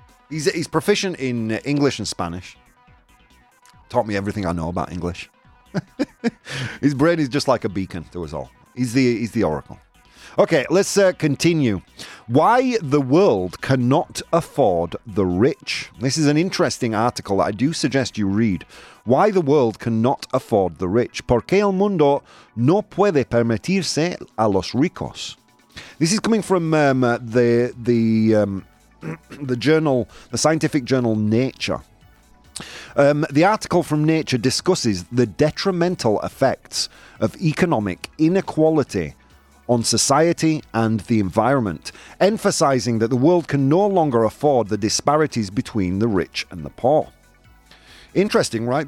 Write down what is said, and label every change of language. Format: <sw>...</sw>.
<en>He's proficient in English and Spanish. Taught me everything I know about English. His brain is just like a beacon to us all. He's the oracle. Okay, let's continue. Why the world cannot afford the rich. This is an interesting article that I do suggest you read. Why the world cannot afford the rich.</en> <es>¿Por qué el mundo no puede permitirse a los ricos?</es> <en>This is coming from the scientific journal Nature. The article from Nature discusses the detrimental effects of economic inequality on society and the environment, emphasizing that the world can no longer afford the disparities between the rich and the poor. Interesting, right?</en>